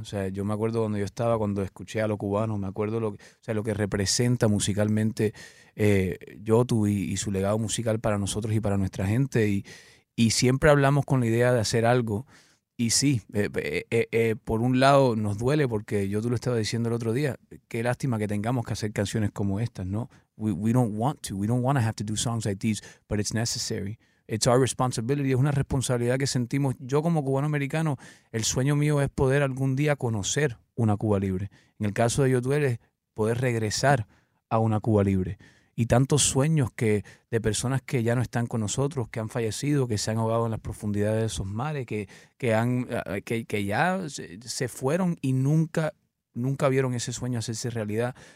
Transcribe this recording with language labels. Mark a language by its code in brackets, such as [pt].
[es] O sea, yo me acuerdo cuando yo estaba, cuando escuché a Lo Cubano. Me acuerdo lo que representa musicalmente Yotu y su legado musical para nosotros y para nuestra gente. Y siempre hablamos con la idea de hacer algo. Y sí, por un lado nos duele, porque Yotu lo estaba diciendo el otro día. Qué lástima que tengamos que hacer canciones como estas, ¿no? [en] We don't want to have to do songs like these, but it's necessary. It's our responsibility. [es] Es una responsabilidad que sentimos. Yo como cubano americano, el sueño mío es poder algún día conocer una Cuba libre. En el caso de Yotuel, es poder regresar a una Cuba libre. Y tantos sueños que de personas que ya no están con nosotros, que han fallecido, que se han ahogado en las profundidades de esos mares, que ya se fueron y nunca vieron ese sueño hacerse realidad.